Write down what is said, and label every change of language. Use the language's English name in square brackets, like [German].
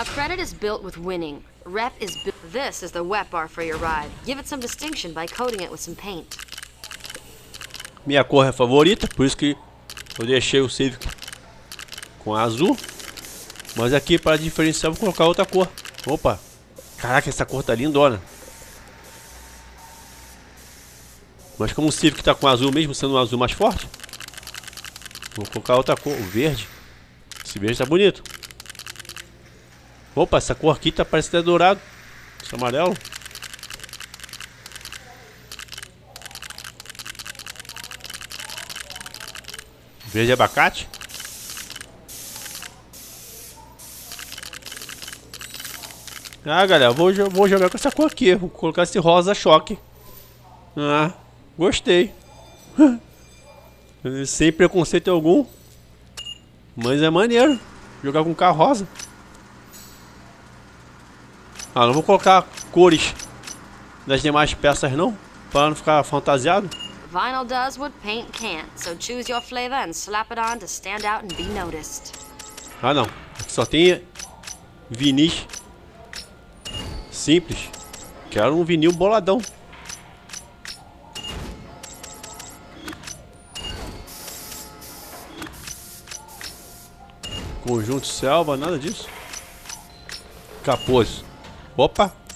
[English] Credit is built with winning. Rep is built. This is the wet bar for your ride. Give it some distinction by coating it with some paint. [Portuguese] Minha cor é favorita, por isso que eu deixei o Civic com azul. Mas aqui para diferenciar eu vou colocar outra cor. Opa! Caraca, essa cor tá lindona. Mas como o Civic tá com azul mesmo, sendo um azul mais forte, vou colocar outra cor, o verde. Esse verde tá bonito. Opa, essa cor aqui tá parecendo até dourado. Esse amarelo. Verde abacate. Ah, galera, vou jogar com essa cor aqui. Vou colocar esse rosa choque. Ah, gostei. Sem preconceito algum. Mas é maneiro jogar com carro rosa. Ah, não vou colocar cores das demais peças não, para não ficar fantasiado. [English] Vinyl does what paint can't, so choose your flavor and slap it on to stand out and be noticed. [Portuguese] Ah não, só tem vinil simples. Quero um vinil boladão. Conjunto selva, nada disso. Capôs. Opa.